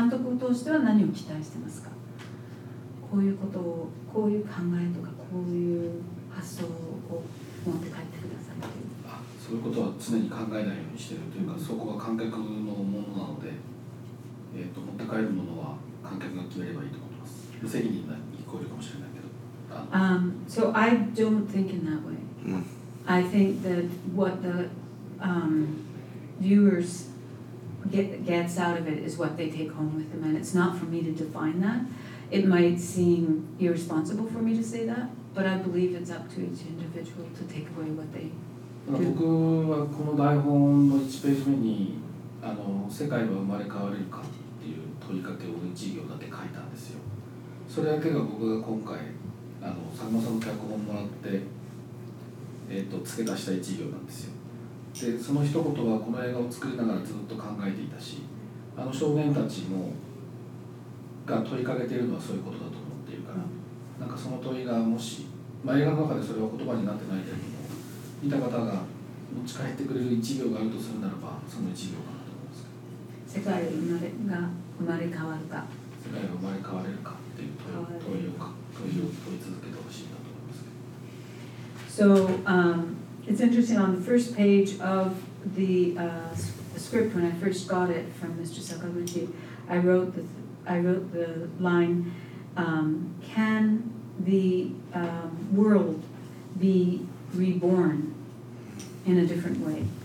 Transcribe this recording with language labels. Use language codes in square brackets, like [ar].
[ja] 監督としては何を期待してますか。こういうことをこういう考えとかこういう発想を持って帰ってくださいっていう。あ、そういうことは常に考えないようにしてるというか、そこは観客のものなので、持って帰るものは観客が決めればいいと思います。無責任な聞こえるかもしれないけど。 [en] So I don't think in that way. I think that what the viewers gets out of it is what they take home with them, and it's not for me to define that. It might seem irresponsible for me to say that, but I believe it's up to each individual to take away what they do. [ja] 僕はこの台本の1ページ目に世界は生まれ変われるかっていう問いかけを1行だけ書いたんですよ。それだけが僕が今回佐久間さんの脚本もらって付け出した1行なんですよ。でその一言はこの映画を作りながらずっと考えていたし、少年たちもが問いかけているのはそういうことだと思っているから、なんかその問いがもし、映画の中でそれは言葉になってないけれども、見た方が持ち帰ってくれる一行があるとするならば、その一行かなと思います。世界が生まれ変わるか、世界が生まれ変われるかっていう問いを問い続けてほしいなと思います。 [en] So it's interesting, on the first page of the script, when I first got it from Mr. Sakaguchi, I wrote the line, can the world be reborn in a different way?